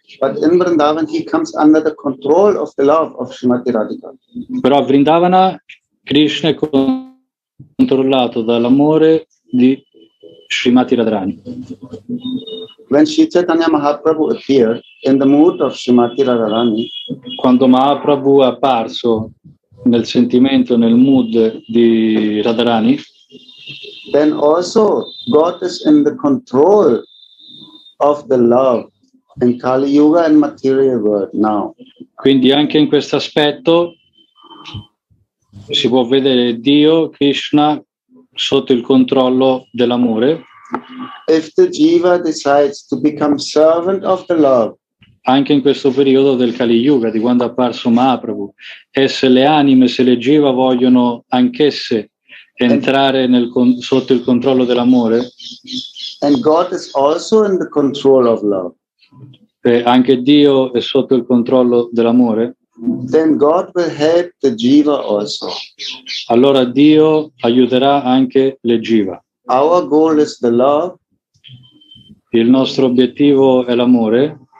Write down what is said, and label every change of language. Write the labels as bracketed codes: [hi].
[en] But in Vrindavan, he comes under the control of the love of Srimati Radhika. [it] Però a Vrindavana, Krishna è controllato dall'amore di Srimati Radharani. [en] When Sri Chaitanya Mahaprabhu appeared in the mood of Srimati Radharani, [it] quando Mahaprabhu è apparso nel sentimento, nel mood di Radharani, [en] then also God is in the control of the love in Kali Yuga and material world now. [it] Quindi anche in questo aspetto si può vedere Dio, Krishna, sotto il controllo dell'amore [en] If the jiva decides to become servant of the love, [it] anche in questo periodo del Kali Yuga, di quando è apparso Mahaprabhu, e se le anime, se le jiva vogliono anch'esse entrare nel sotto il controllo dell'amore, [en] and God is also in the control of love, [it] e anche Dio è sotto il controllo dell'amore, [en] then God will help the jiva also. [it] Allora Dio aiuterà anche le jiva. [en] Our goal is the love. [it] Il nostro obiettivo è l'amore.